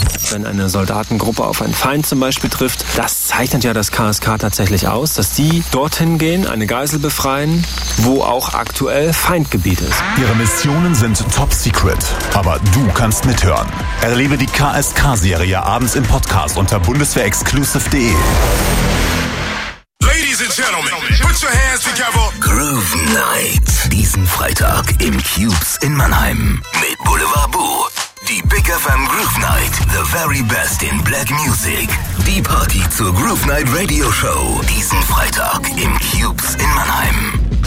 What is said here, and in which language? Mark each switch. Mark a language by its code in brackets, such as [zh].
[de] Wenn eine Soldatengruppe auf einen Feind zum Beispiel trifft, das zeichnet ja das KSK tatsächlich aus, dass die dorthin gehen, eine Geisel befreien, wo auch aktuell Feindgebiet ist. Ihre Missionen sind top secret, aber du kannst mithören. Erlebe die KSK-Serie abends im Podcast unter bundeswehrexclusive.de. [en] Ladies and Gentlemen, put your hands together. [de] Groove Night. Diesen Freitag im Cubes in Mannheim mit Boulevard Boo. Die Big FM Groove Night, [en] the very best in Black Music. [de] Die Party zur Groove Night Radio Show. Diesen Freitag im Cubes in Mannheim.